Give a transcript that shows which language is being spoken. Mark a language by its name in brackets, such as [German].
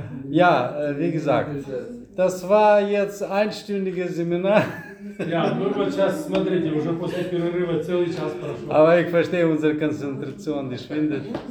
[German] Ja, wie gesagt, das war jetzt einstündiges Seminar. Ja, nur mal [Russian] сейчас смотрите, уже после перерыва целый час прошел. [German] Aber ich verstehe unsere Konzentration, die schwindet.